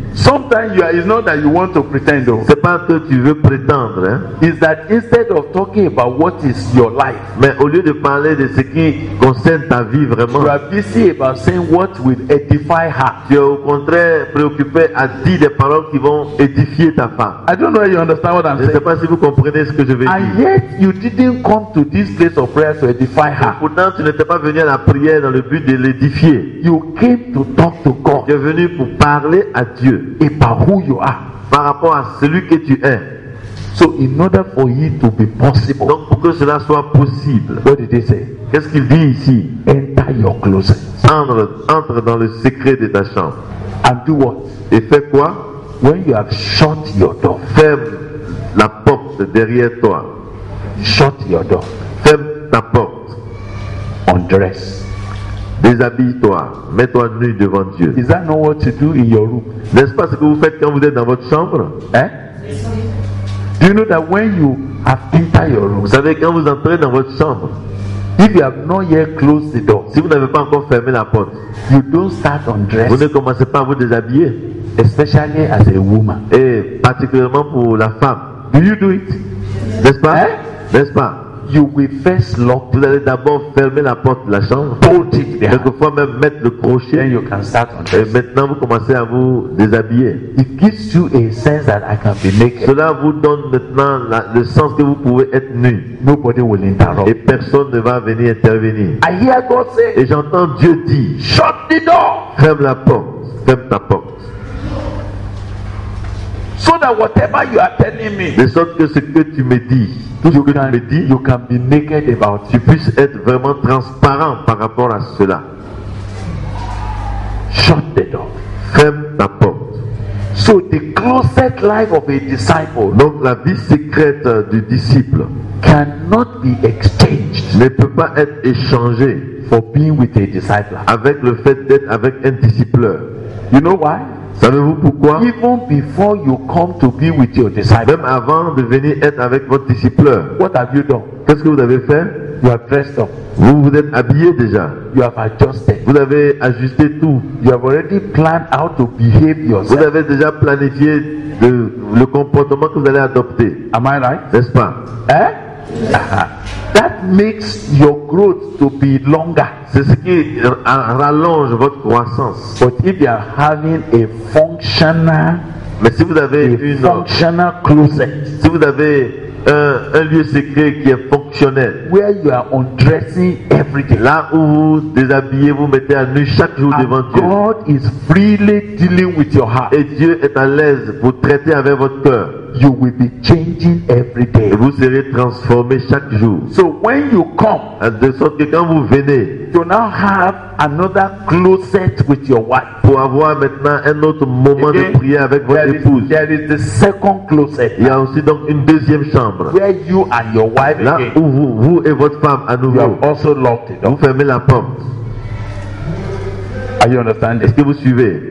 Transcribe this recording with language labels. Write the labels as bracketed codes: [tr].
[en] Sometimes you are, it's not that you want to pretend, though. [fr] C'est pas que tu veux prétendre. Hein? [en] Is that instead of talking about what is your life? [fr] Mais au lieu de parler de ce qui concerne ta vie vraiment. [en] You are busy about saying what will edify her. [fr] Tu es au contraire préoccupé à dire des paroles qui vont édifier ta femme. [en] I don't know if you understand what I'm saying. [fr] Je sais pas si vous comprenez ce que je veux dire. [en] And yet you didn't come to this place of prayer to edify her. [fr] Et pourtant tu n'étais pas venu à la prière dans le but de l'édifier. [en] You came to talk to God. [fr] Tu es venu pour parler à Dieu. Et par [en] who you are, [fr] par rapport à celui que tu es. [en] So in order for it to be possible, [fr] donc pour que cela soit possible, [en] what did he say? [fr] Qu'est-ce qu'il dit ici? [en] Enter your closet. [fr] Entre dans le secret de ta chambre. [en] And do what? [fr] Et fais quoi? [en] When you have shut your door, [fr] ferme la porte derrière toi. [en] Shut your door. [fr] Ferme ta porte. [en] Undress. [fr] Déshabille-toi, mets-toi nu devant Dieu. [en] Is that not what you do in your room? [fr] N'est-ce pas ce que vous faites quand vous êtes dans votre chambre? Hein? [en] Do you know that when you have entered your room? [fr] Vous savez quand vous entrez dans votre chambre, [en] if you have not yet closed the door, [fr] si vous n'avez pas encore fermé la porte, [en] you don't start undressing. [fr] Vous ne commencez pas à vous déshabiller, [en] especially as a woman. [fr] Et particulièrement pour la femme. [en] Do you do it? [fr] N'est-ce pas? Hein? N'est-ce pas? [en] You will first lock. [fr] Vous allez d'abord fermer la porte de la chambre. [en] Bolt it there. [fr] Quelquefois même mettre le crochet. [en] Then you can start on. [fr] Et maintenant vous commencez à vous déshabiller. [en] It gives you a sense that I can be naked. [fr] Cela vous donne maintenant le sens que vous pouvez être nu. [en] Nobody will interrupt. [fr] Et personne ne va venir intervenir. [en] I hear God say. [fr] Et j'entends Dieu dire. [en] Shut the door. [fr] Ferme la porte. Ferme ta porte. [en] So that whatever you are telling me, [fr] de sorte que ce que tu me dis, tout ce que tu me dis, [en] you can be naked about, [fr] tu puisses être vraiment transparent par rapport à cela. [en] Shut the door. [fr] Ferme ta porte. [en] So the closet life of a disciple, [fr] donc la vie secrète du disciple, [en] cannot be exchanged, [fr] ne peut pas être échangé, [en] for being with a disciple, [fr] avec le fait d'être avec un disciple. [en] You know why? [fr] Savez-vous pourquoi? [en] Even before you come to be with your disciple, [fr] même avant de venir être avec votre disciple, [en] what have you done? [fr] Qu'est-ce que vous avez fait? [en] You have dressed up. [fr] Vous vous êtes habillé déjà. [en] You have adjusted. [fr] Vous avez ajusté tout. [en] You have already planned how to behave yourself. [fr] Vous avez déjà planifié le comportement que vous allez adopter. [en] Am I right? [fr] N'est-ce pas? [en] Hein? That makes your growth to be longer. [fr] C'est ce qui rallonge votre croissance. [en] But if you are having a functional, [fr] mais si vous avez une [en] functional closet, [fr] si vous avez un lieu secret qui est fonctionnel, [en] where you are undressing every day, [fr] là où vous déshabillez, vous mettez à nu chaque jour devant Dieu. [en] God is freely dealing with your heart. [fr] Et Dieu est à l'aise pour traiter avec votre cœur. [en] You will be changing every day. [fr] Et vous serez transformé chaque jour. [en] So when you come, [fr] and de sorte que quand vous venez, [en] to now have another closet with your wife, [fr] pour avoir maintenant un autre moment de prière avec votre épouse, [en] there is the second closet. [fr] Il y a aussi donc une deuxième chambre, [en] where you and your wife, [fr] là où vous et votre femme à nouveau, [en] you have also locked it up. [fr] Vous fermez la porte. [en] Are you understanding? [fr] Est-ce que vous suivez?